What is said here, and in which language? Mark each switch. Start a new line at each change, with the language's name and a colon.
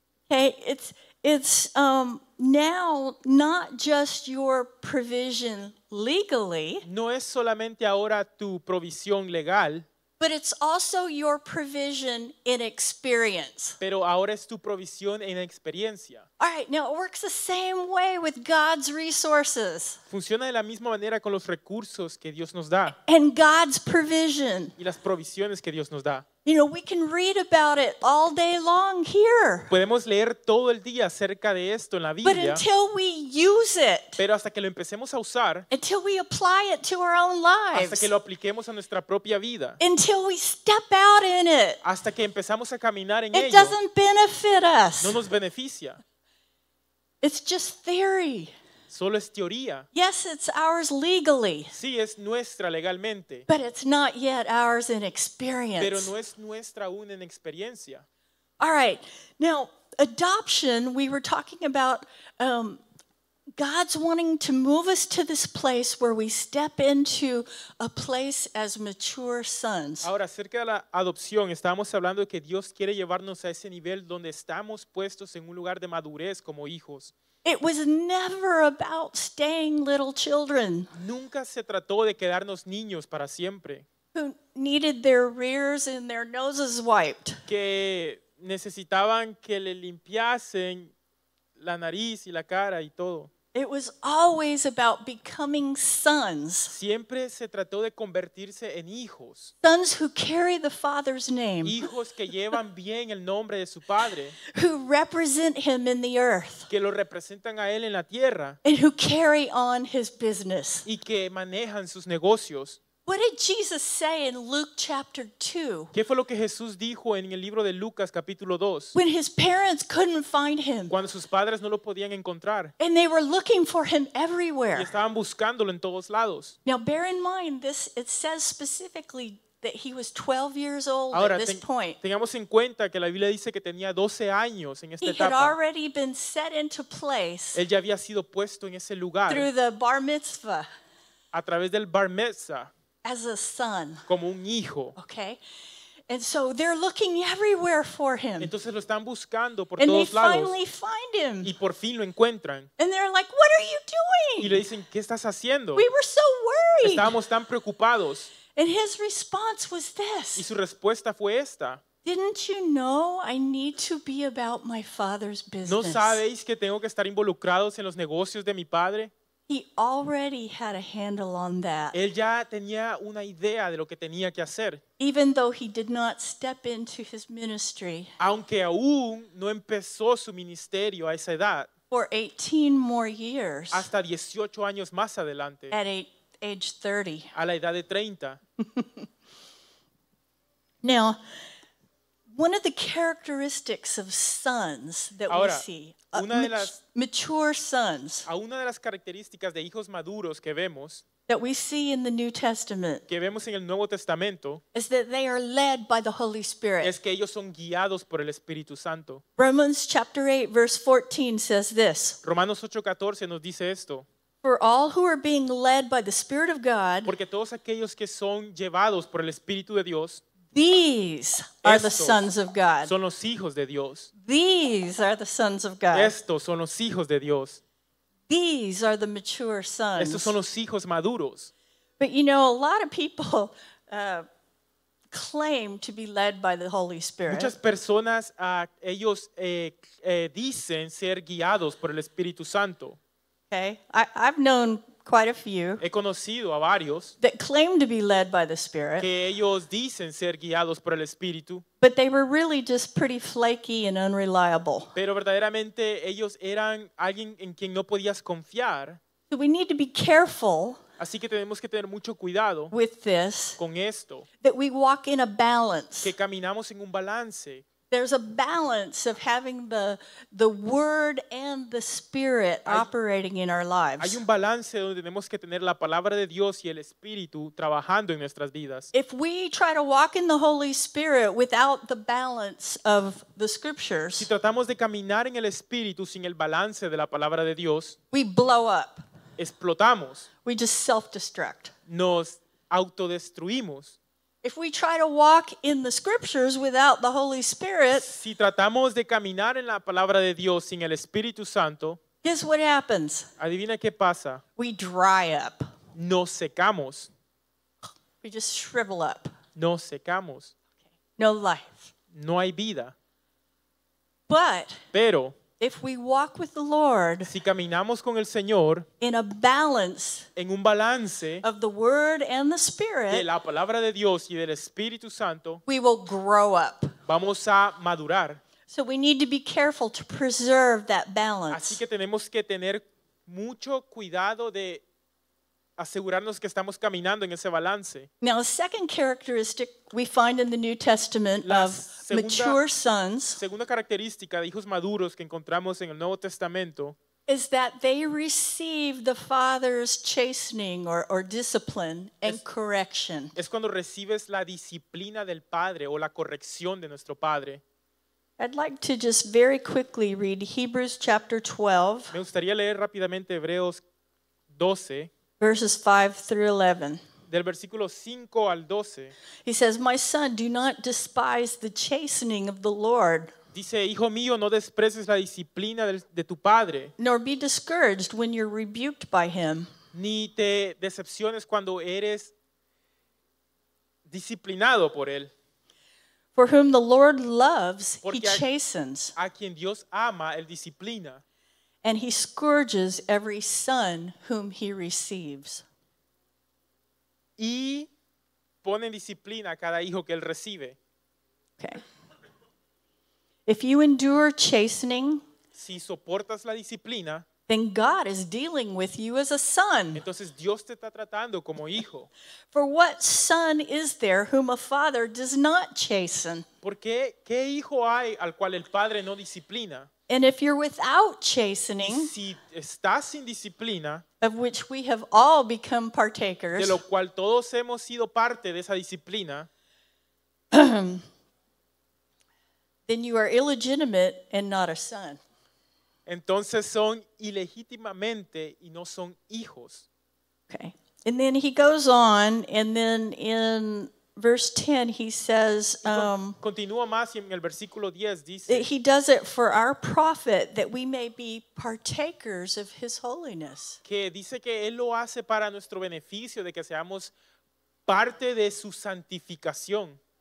English: Okay, it's now not just your provision legally.
Spanish: No es solamente ahora tu provisión legal.
English: But it's also your provision in experience.
Spanish: Pero ahora es tu provisión en experiencia.
English: All right, now it works the same way with God's resources.
Spanish: Funciona de la misma manera con los recursos que Dios nos da.
English: And God's provision.
Spanish: Y las provisiones que Dios nos da.
English: You know, we can read about it all day long here.
Spanish: Podemos leer todo el día acerca de esto en la Biblia.
English: But until we use it.
Spanish: Pero hasta que lo empecemos a usar.
English: Until we apply it to our own lives.
Spanish: Hasta que lo apliquemos a nuestra propia vida.
English: Until we step out in it.
Spanish: Hasta que empezamos a caminar en
English: it
Spanish: ello.
English: It doesn't benefit us.
Spanish: No nos beneficia.
English: It's just theory.
Spanish: Solo es teoría.
English: Yes, it's ours legally.
Spanish: Sí, es nuestra legalmente.
English: But it's not yet ours in experience.
Spanish: Pero no es nuestra aún en experiencia.
English: All right. Now, adoption, we were talking about God's wanting to move us to this place where we step into a place as mature sons.
Spanish: Ahora, acerca de la adopción, estábamos hablando de que Dios quiere llevarnos a ese nivel donde estamos puestos en un lugar de madurez como hijos.
English: It was never about staying little children.
Spanish: Nunca se trató de quedarnos niños para siempre.
English: Who needed their rears and their noses wiped.
Spanish: Que necesitaban que le limpiasen la nariz y la cara y todo.
English: It was always about becoming sons.
Spanish: Siempre se trató de convertirse en hijos.
English: Sons who carry the Father's name.
Spanish: Hijos que llevan bien el nombre de su padre.
English: Who represent him in the earth.
Spanish: Que lo representan a él en la tierra.
English: And who carry on his business.
Spanish: Y que manejan sus negocios.
English: What did Jesus say in Luke chapter 2?
Spanish: ¿Qué fue lo que Jesús dijo en el libro de Lucas capítulo 2?
English: When his parents couldn't find him.
Spanish: Cuando sus padres no lo podían encontrar.
English: And they were looking for him everywhere.
Spanish: Y estaban buscándolo en todos lados.
English: Now bear in mind this, it says specifically that he was 12 years old.
Spanish: Ahora,
English: at this point.
Spanish: Tengamos en cuenta que la Biblia dice que tenía 12 años en esta
English: he
Spanish: etapa.
English: He had already been set into place.
Spanish: Él ya había sido puesto en ese lugar.
English: Through the bar mitzvah.
Spanish: A través del bar mitzvah.
English: As a son.
Spanish: Como un hijo.
English: Okay. And so they're looking everywhere for him.
Spanish: Entonces lo están buscando por
English: and
Spanish: todos
English: they
Spanish: lados.
English: Finally find him.
Spanish: Y por fin lo encuentran.
English: And they're like, what are you doing?
Spanish: Y le dicen, ¿qué estás haciendo?
English: We were so worried.
Spanish: Estábamos tan preocupados.
English: And his response was this.
Spanish: Y su respuesta fue esta.
English: Didn't you know I need to be about my father's business?
Spanish: ¿No sabéis que tengo que estar involucrados en los negocios de mi padre?
English: He already had a handle on that.
Spanish: Él ya tenía una idea de lo que tenía que hacer.
English: Even though he did not step into his ministry.
Spanish: Aunque aún no empezó su ministerio a esa edad.
English: For 18 more years.
Spanish: Hasta 18 años más adelante.
English: At age 30.
Spanish: A la edad de 30.
English: Now, one of the characteristics of sons that
Spanish: ahora,
English: we see. Mature sons.
Spanish: A una de las características de hijos maduros que vemos.
English: That we see in the New Testament.
Spanish: Que vemos en el Nuevo Testamento.
English: Is that they are led by the Holy Spirit.
Spanish: Es que ellos son guiados por el Espíritu Santo.
English: Romans chapter 8 verse 14 says this.
Spanish: Romanos 8:14 nos dice esto.
English: For all who are being led by the Spirit of God.
Spanish: Porque todos aquellos que son llevados por el Espíritu de Dios.
English: These are the sons of God.
Spanish: Son los hijos de Dios.
English: These are the sons of God.
Spanish: Estos son los hijos de Dios.
English: These are the mature sons.
Spanish: Estos son los hijos maduros.
English: But you know, a lot of people claim to be led by the Holy Spirit.
Spanish: Muchas personas, ellos dicen ser guiados por el Espíritu Santo.
English: Okay, I've known quite a few.
Spanish: He conocido a varios
English: that claim to be led by the Spirit.
Spanish: Que ellos dicen ser guiados por el Espíritu.
English: But they were really just pretty flaky and unreliable.
Spanish: Pero verdaderamente ellos eran alguien en quien no podías confiar.
English: So we need to be careful.
Spanish: Así que tenemos que tener mucho cuidado.
English: With this.
Spanish: Con esto.
English: That we walk in a balance.
Spanish: Que caminamos en un balance.
English: There's a balance of having the word and the spirit operating in our lives.
Spanish: Hay un balance donde tenemos que tener la palabra de Dios y el espíritu trabajando en nuestras vidas.
English: If we try to walk in the Holy Spirit without the balance of the scriptures,
Spanish: si tratamos de caminar en el espíritu sin el balance de la palabra de Dios,
English: we blow up.
Spanish: Explotamos.
English: We just self-destruct.
Spanish: Nos autodestruimos.
English: If we try to walk in the scriptures without the Holy Spirit,
Spanish: si tratamos de caminar en la palabra de Dios sin el Espíritu Santo,
English: guess what happens?
Spanish: Adivina qué pasa.
English: We dry up.
Spanish: Nos secamos.
English: We just shrivel up.
Spanish: Nos secamos.
English: Okay. No life.
Spanish: No hay vida.
English: But
Spanish: pero,
English: if we walk with the Lord,
Spanish: si caminamos con el Señor,
English: in a balance,
Spanish: en un balance
English: of the Word and the Spirit,
Spanish: de la palabra de Dios y del Espíritu Santo,
English: we will grow up.
Spanish: Vamos a madurar.
English: So we need to be careful to preserve that balance.
Spanish: Así que tenemos que tener mucho cuidado de asegurarnos que estamos caminando en ese balance.
English: Now, a second characteristic we find in the New Testament of mature sons,
Spanish: segunda característica de hijos maduros que encontramos en el Nuevo Testamento,
English: is that they receive the Father's chastening or discipline and correction.
Spanish: Es cuando recibes la disciplina del Padre o la corrección de nuestro Padre.
English: I'd like to just very quickly read Hebrews chapter 12.
Spanish: Me gustaría leer rápidamente Hebreos 12.
English: Verses 5 through 11.
Spanish: Del versículo 5 al 12.
English: He says, "My son, do not despise the chastening of the Lord."
Spanish: Dice, hijo mío, no desprecies la disciplina de tu padre.
English: "Nor be discouraged when you're rebuked by him."
Spanish: Ni te decepciones cuando eres disciplinado por él.
English: "For whom the Lord loves, he chastens."
Spanish: A quien Dios ama, él disciplina.
English: "And he scourges every son whom he receives."
Spanish: Y pone disciplina a cada hijo que él recibe.
English: Okay. "If you endure chastening,"
Spanish: si soportas la disciplina,
English: "then God is dealing with you as a son."
Spanish: Entonces Dios te está tratando como hijo.
English: "For what son is there whom a father does not chasten?"
Spanish: Porque ¿qué hijo hay al cual el padre no disciplina?
English: "And if you're without chastening,"
Spanish: si estás sin disciplina,
English: "of which we have all become partakers,"
Spanish: de lo cual todos hemos sido parte de esa disciplina,
English: "then you are illegitimate and not a son."
Spanish: Entonces son ilegítimamente y no son hijos.
English: Okay. And then he goes on, and then in verse 10 he says,
Spanish: continúa más y en el versículo 10 dice,
English: "he does it for our profit, that we may be partakers of his holiness."
Spanish: Que dice que él lo hace para nuestro beneficio, de que seamos parte de su santificación.